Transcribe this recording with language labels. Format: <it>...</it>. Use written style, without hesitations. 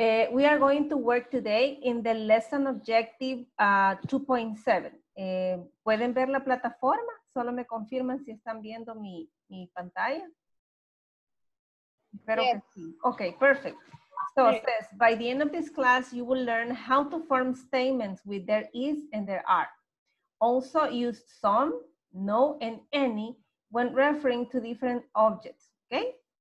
<en>We are going to work today in the lesson objective 2.7.</en> <es>¿Pueden ver la plataforma? Solo me confirman si están viendo mi pantalla. Espero yes. que sí.</es> <en>Okay, perfect. So it says, by the end of this class, you will learn how to form statements with there is and there are. Also use some, no, and any when referring to different objects, okay?</en>